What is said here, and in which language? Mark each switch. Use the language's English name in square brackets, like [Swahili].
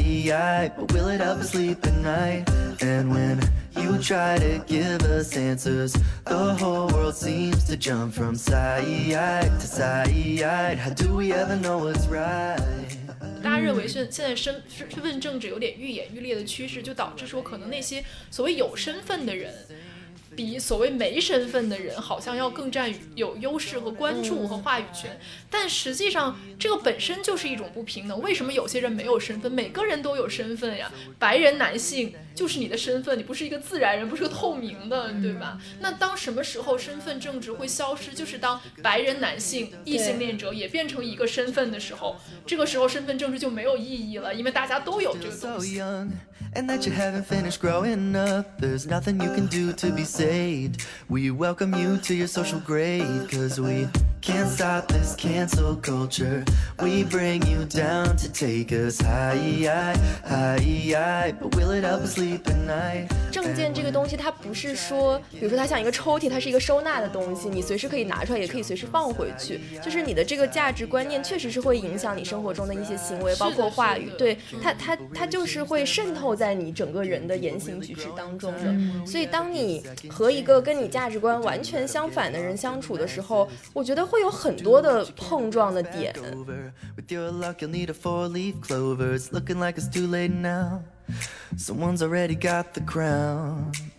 [English] And when you try to give us answers, the whole world seems to jump from side to side. How do we ever know what's right? [Chinese] 大家认为现在身份政治有点愈演愈烈的趋势，就导致说可能那些所谓有身份的人比所谓没身份的人好像要更占有优势和关注和话语权，但实际上这个本身就是一种不平等。为什么有些人没有身份？每个人都有身份呀，白人男性就是你的身份，你不是一个自然人，不是个透明的，对吧？那当什么时候身份政治会消失？就是当白人男性异性恋者也变成一个身份的时候，这个时候身份政治就没有意义了，因为大家都有这个东西。 [English] And that you haven't finished growing up, there's nothing you can do to be saved. We welcome you to your social grade, 'cause we can't stop this cancel culture. We bring you down to take us high, but will it help us sleep at night? [Chinese] 证件这个东西它不是说，比如说它像一个抽屉，它是一个收纳的东西，你随时可以拿出来，也可以随时放回去。就是你的这个价值观念确实是会影响你生活中的一些行为，包括话语，对，它就是会渗透在你整个人的言行举止当中的。所以当你和一个跟你价值观完全相反的人相处的时候，我觉得会有很多的碰撞的点。 [English] With your luck, you'll need a four-leaf clover. It's looking like it's too late now. Someone's already got the crown.